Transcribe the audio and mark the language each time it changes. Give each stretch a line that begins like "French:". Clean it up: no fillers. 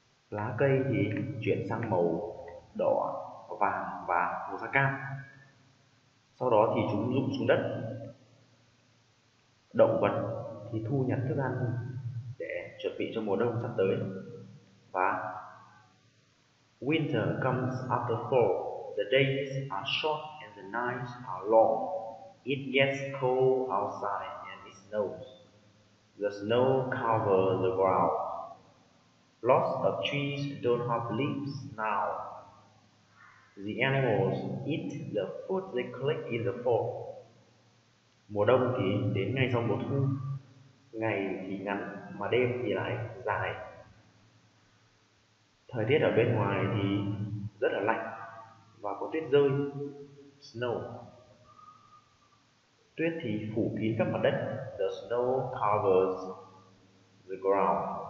Vietnamese: Lá cây thì chuyển sang màu đỏ, vàng và màu da cam. Sau đó thì chúng rụng xuống đất. Động vật thì thu nhặt thức ăn để chuẩn bị cho mùa đông sắp tới.
English: Và winter comes after fall. The days are short and the nights are long. It gets cold outside and it snows. The snow covers the ground. Lots of trees don't have leaves now. The animals eat the food they collect in the fall.
Vietnamese: Mùa đông thì đến ngay sau mùa thu. Ngày thì ngắn mà đêm thì lại dài. Thời tiết ở bên ngoài thì rất là lạnh và có tuyết rơi, snow. Tuyết thì phủ kín các mặt đất,
English: the snow covers the ground.